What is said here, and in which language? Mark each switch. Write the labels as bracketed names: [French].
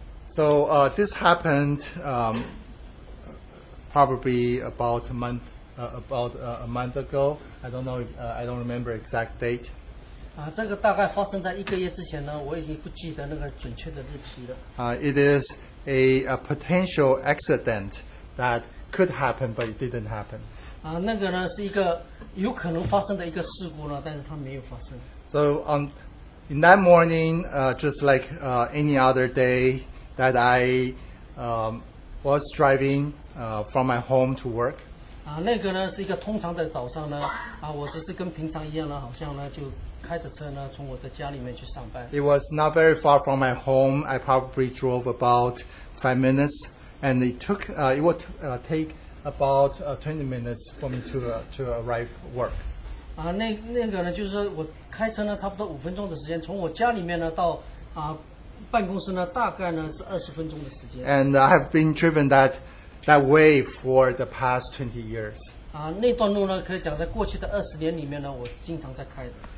[English] So this happened probably about a month ago. I don't know. I don't remember exact date. [Chinese] 这个大概发生在一个月之前呢, 我已经不记得那个准确的日期了. [English] It is a potential accident that could happen, but it didn't happen. [Chinese] 那个呢是一个有可能发生的一个事故呢, 但是它没有发生. [English] So in that morning, just like any other day, that I was driving from my home to work. [Chinese] 那个呢是一个通常的早上呢, 我只是跟平常一样呢, 好像呢, 就开着车呢, 从我的家里面去上班. [English] It was not very far from my home. I probably drove about 5 minutes, and it took it would take about 20 minutes for me to arrive at work. [Chinese] 那个呢就是我开车呢差不多5分钟的时间, 从我家里面呢到 办公室呢大概呢是20分钟的时间. [English] And I have been driven that way for the past 20 years. [Chinese] 那段路呢可以讲在过去的20年里面呢我经常在开的.